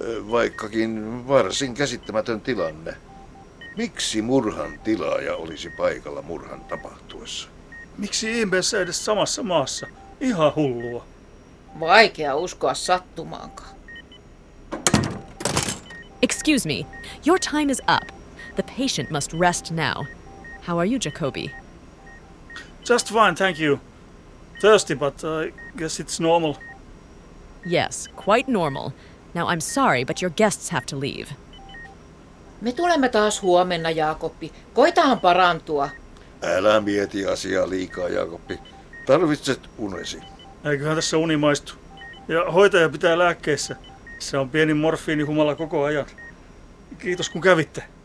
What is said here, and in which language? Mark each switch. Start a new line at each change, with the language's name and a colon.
Finnish: Vaikkakin varsin käsittämätön tilanne. Miksi murhan tilaaja olisi paikalla murhan tapahtuessa? Miksi ihmeessä edes samassa maassa? Ihan hullua. Vaikea uskoa sattumaankaan.
English: Excuse me. Your time is up. The patient must rest now. How are you, Jacoby? Just fine, thank you. Thirsty, but I guess it's normal. Yes, quite normal. Now I'm sorry, but your guests have to leave.
Finnish: Me tulemme taas huomenna, Jaakoppi. Koitahan parantua. Älä mieti asiaa liikaa, Jaakoppi. Tarvitset unesi. Eiköhän tässä uni maistu. Ja hoitaja pitää lääkkeessä. Se on pieni morfiinihumala koko ajan. Kiitos, kun kävitte.